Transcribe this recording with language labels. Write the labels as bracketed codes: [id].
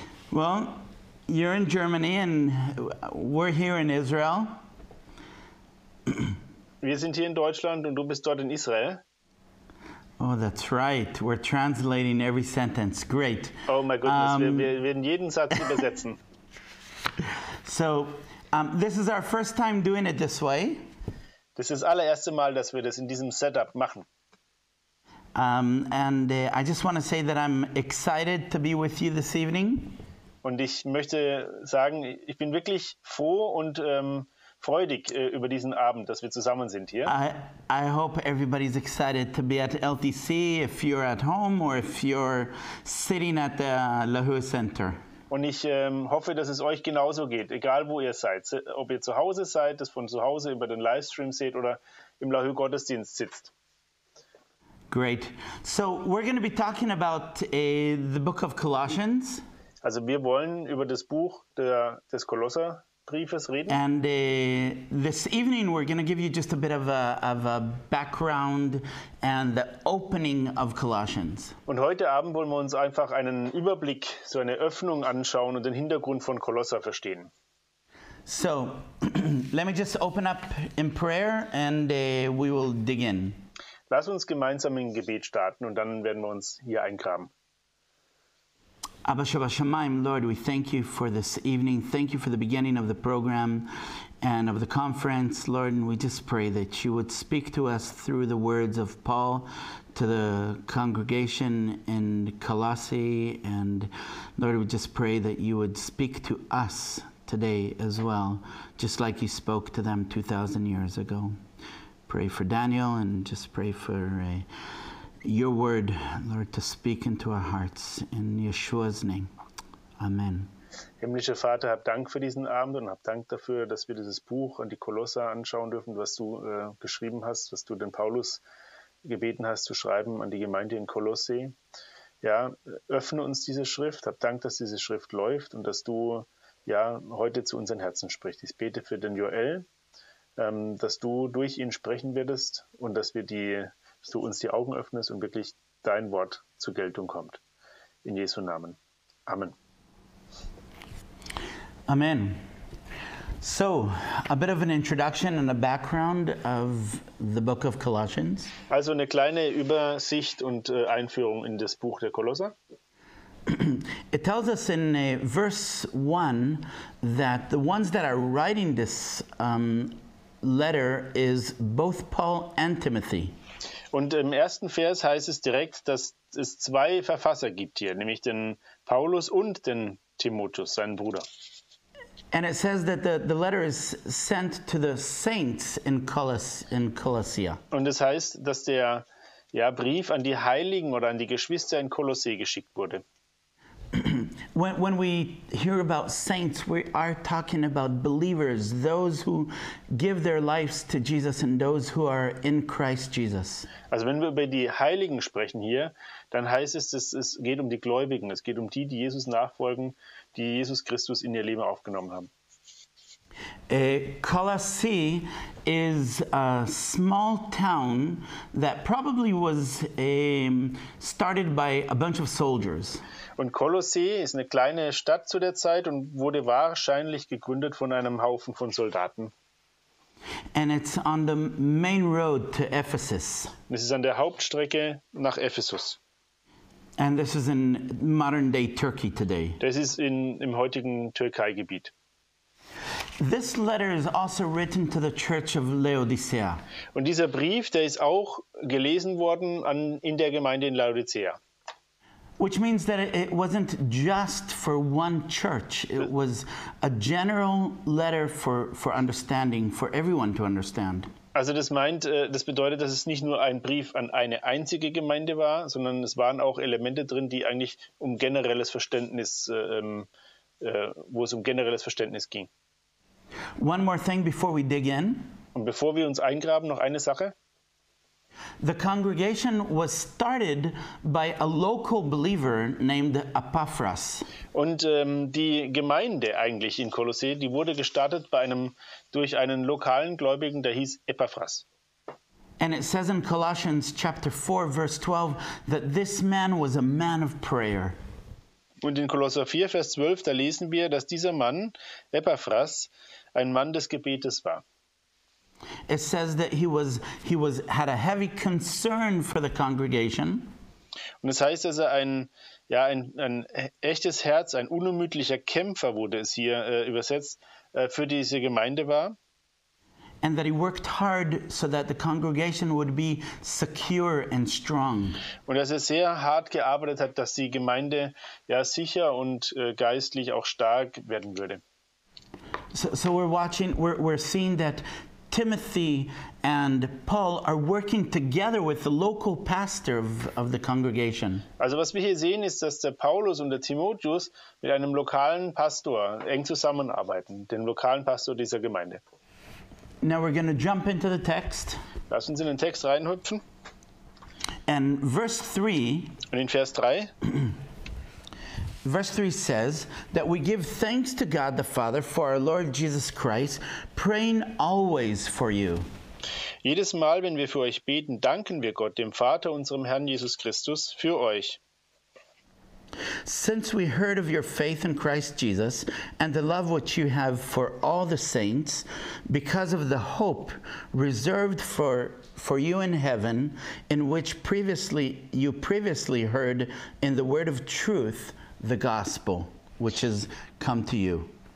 [en] Well, you're in Germany and we're here in Israel. [de] Wir sind hier in Deutschland und du bist dort in Israel. [en] Oh, that's right. We're translating every sentence. Great. Oh my goodness, [de] wir werden jeden Satz übersetzen. [en] So, this is our first time doing it this way. [de] Das ist das allererste Mal, dass wir das in diesem Setup machen. [en] I just want to say that I'm excited to be with you this evening. [de] Und ich möchte sagen, ich bin wirklich froh und freudig über diesen Abend, dass wir zusammen sind hier. [en] I hope everybody's excited to be at LTC, if you're at home or if you're sitting at the Lahö Center. [de] Und ich hoffe, dass es euch genauso geht, egal wo ihr seid, ob ihr zu Hause seid, das von zu Hause über den Livestream seht oder im Lahö Gottesdienst sitzt. [en] Great. So we're going to be talking about the book of Colossians. [de] Also wir wollen über das Buch des Kolosser Briefes reden. [en] And this evening we're going to give you just a bit of a background and the opening of Colossians. [de] Und heute Abend wollen wir uns einfach einen Überblick, so eine Öffnung anschauen und den Hintergrund von Kolosser verstehen. [en] So, let me just open up in prayer and we will dig in. [de] Lass uns gemeinsam im Gebet starten und dann werden wir uns hier eingraben. [en] Abba Shabbat Shemaim, Lord, we thank you for this evening. Thank you for the beginning of the program and of the conference. Lord, and we just pray that you would speak to us through the words of Paul to the congregation in Colossae. And Lord, we just pray that you would speak to us today as well, just like you spoke to them 2,000 years ago. Pray for Daniel and just pray for your word, Lord, to speak into our hearts in Yeshua's name. Amen. [de] Himmlischer Vater, hab Dank für diesen Abend und hab Dank dafür, dass wir dieses Buch an die Kolosser anschauen dürfen, was du geschrieben hast, was du den Paulus gebeten hast zu schreiben an die Gemeinde in Kolosse. Ja, öffne uns diese Schrift, hab Dank, dass diese Schrift läuft und dass du ja heute zu unseren Herzen sprichst. Ich bete für den Joel, dass du durch ihn sprechen wirst und dass wir die, dass du uns die Augen öffnest und wirklich dein Wort zur Geltung kommt. In Jesu Namen. Amen. Amen. [en] So, a bit of an introduction and a background of the book of Colossians. [de] Also eine kleine Übersicht und Einführung in das Buch der Kolosser. [en] It tells us in verse 1 that the ones that are writing this letter is both Paul and Timothy. [de] Und im ersten Vers heißt es direkt, dass es zwei Verfasser gibt hier, nämlich den Paulus und den Timotheus, seinen Bruder. [en] And it says that the letter is sent to the saints in Colossia. [de] Und es heißt, dass der Brief an die Heiligen oder an die Geschwister in Kolossee geschickt wurde. [en] When we hear about saints, we are talking about believers, those who give their lives to Jesus and those who are in Christ Jesus. [de] Also wenn wir über die Heiligen sprechen hier, dann heißt es, dass es geht um die Gläubigen, es geht um die, die Jesus nachfolgen, die Jesus Christus in ihr Leben aufgenommen haben. [en] Colossae is a small town that probably was started by a bunch of soldiers. [de] Und Colossae ist eine kleine Stadt zu der Zeit und wurde wahrscheinlich gegründet von einem Haufen von Soldaten. [en] And it's on the main road to Ephesus. [de] Es ist an der Hauptstrecke nach Ephesus. [en] And this is in modern-day Turkey today. [de] Das ist in im heutigen Türkei-Gebiet. [en] This letter is also written to the church of Laodicea. [de] Und dieser Brief, der ist auch gelesen worden an in der Gemeinde in Laodicea. [en] Which means that it wasn't just for one church. It was a general letter for understanding, for everyone to understand. [de] Also das bedeutet, dass es nicht nur ein Brief an eine einzige Gemeinde war, sondern es waren auch Elemente drin, die eigentlich um generelles Verständnis, wo es um generelles Verständnis ging. [en] One more thing before we dig in. [de] Und bevor wir uns eingraben, noch eine Sache. [en] The congregation was started by a local believer named Epaphras. [de] Und die Gemeinde eigentlich in Kolossee, die wurde gestartet durch einen lokalen Gläubigen, der hieß Epaphras. [en] And it says in Colossians chapter 4 verse 12 that this man was a man of prayer. [de] Und in Kolosser 4 Vers 12 da lesen wir, dass dieser Mann Epaphras ein Mann des Gebetes war. [en] It says that he had a heavy concern for the congregation. [de] Und es heißt, dass er ein echtes Herz, ein unermüdlicher Kämpfer, wurde es hier übersetzt, für diese Gemeinde war. [en] And that he worked hard so that the congregation would be secure and strong. [de] Und dass er sehr hart gearbeitet hat, dass die Gemeinde sicher und geistlich auch stark werden würde. [en] So we're seeing that Timothy and Paul are working together with the local pastor of the congregation. [de] Also was wir hier sehen ist, dass der Paulus und der Timotheus mit einem lokalen Pastor eng zusammenarbeiten, dem lokalen Pastor dieser Gemeinde. [en] Now we're going to jump into the text. [de] Lass uns in den Text reinhüpfen. [en] And verse 3. [de] Und in Vers 3. [en] Verse 3 says that we give thanks to God the Father for our Lord Jesus Christ, praying always for you. [de] Jedes Mal, wenn wir für euch beten, danken wir Gott, dem Vater, unserem Herrn Jesus Christus, für euch. [en] Since we heard of your faith in Christ Jesus and the love which you have for all the saints, because of the hope reserved for you in heaven, in which you previously heard in the word of truth, the gospel, which has come to you.